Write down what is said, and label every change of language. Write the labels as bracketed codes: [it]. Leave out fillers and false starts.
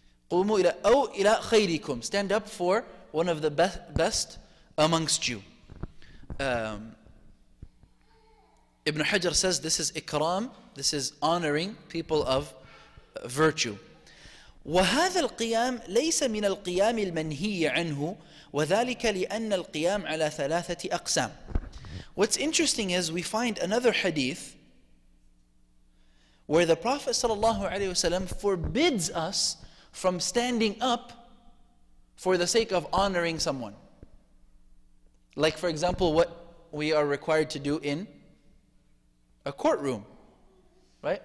[ar] قُومُوا إِلَى أَوْ إِلَى خَيْرِكُمْ. [en] Stand up for one of the best amongst you. Ibn Hajar says this is ikram, this is honoring people of virtue. [ar] وهذا القيام ليس من القيام المنهي عنه وذلك لأن القيام على ثلاثة أقسام. [en] What's interesting is we find another hadith where the Prophet sallallahu alaihi wasallam forbids us from standing up for the sake of honoring someone. Like, for example, what we are required to do in a courtroom, right?